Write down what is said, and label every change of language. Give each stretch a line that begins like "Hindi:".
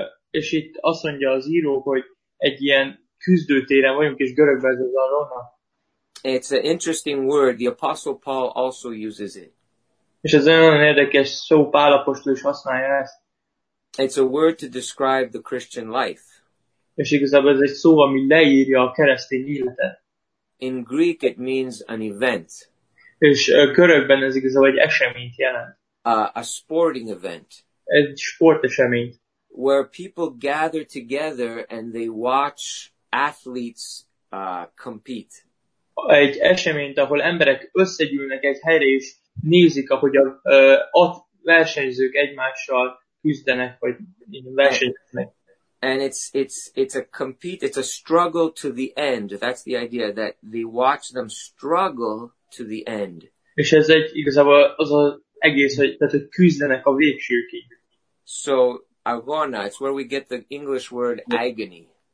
Hungarian: És itt azt mondja az író, hogy egy ilyen küzdőtéren vagyunk, és görögben ez az agona.
English: It's an interesting word. The apostle Paul also uses it.
Hungarian: És ez nagyon érdekes szó, Pál apostol is használja ezt.
English: It's a word to describe the Christian life.
Hungarian: És igazából ez egy szó, ami leírja a keresztény életet.
English: In Greek it means an event.
Hungarian: És görögben ez igazából egy eseményt jelent.
English: A sporting event.
Hungarian: Egy sportesemény.
English: Where people gather together and they watch athletes compete.
Hungarian: Egy eseményt, ahol emberek összegyűlnek egy helyre és nézik, ahogy a versenyzők egymással küzdenek, vagy versenyeznek.
English: And it's a struggle to the end. That's the idea, that they watch them struggle to the end.
Hungarian: És ez egy igazából az az egész, hogy küzdenek a végsőkig.
English: So agona, it's where we get the English word agony.